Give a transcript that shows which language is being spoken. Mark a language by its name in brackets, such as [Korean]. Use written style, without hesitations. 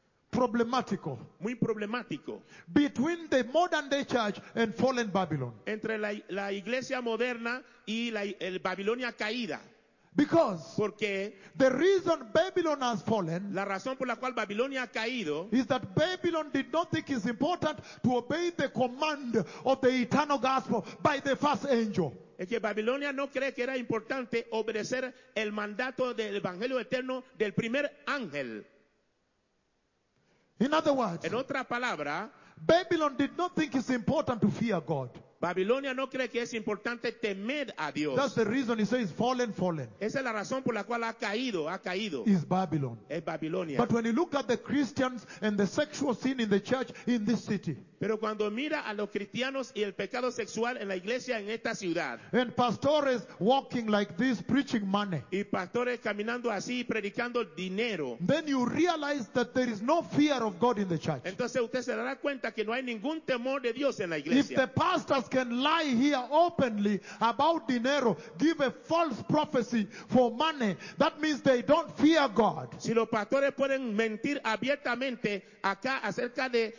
[Spanish] Problemático. Muy problemático. [English] Between the modern day church and fallen Babylon. [Spanish] Entre la iglesia moderna y el Babilonia caída. [English] Because [Spanish] porque [English] the reason Babylon has fallen, [Spanish] la razón por la cual Babilonia ha caído, [English] is that Babylon did not think it's important to obey the command of the eternal gospel by the first angel. [Spanish] Es que Babilonia no cree que era importante obedecer el mandato del evangelio eterno del primer ángel. [English] In other words, [Spanish] en otra palabra, [English] Babylon did not think it's important to fear God. [Spanish] Babilonia no cree que es importante temer a Dios. [English] That's the reason he says fallen. [Spanish] Esa es la razón por la cual ha caído. [English] Is Babylon. [Spanish] Es Babilonia. [English] But when you look at the Christians and the sexual sin in the church in this city. [Spanish] Pero cuando mira a los cristianos y el pecado sexual en la iglesia en esta ciudad. [English] And pastores walking like this preaching money. [Spanish] Y pastores caminando así predicando dinero. [English] Then you realize that there is no fear of God in the church. [Spanish] Entonces usted se dará cuenta que no hay ningún temor de Dios en la iglesia. [English] If the pastors can lie here openly about dinero, give a false prophecy for money, that means they don't fear God. [Spanish] Si los pastores pueden mentir abiertamente acá acerca de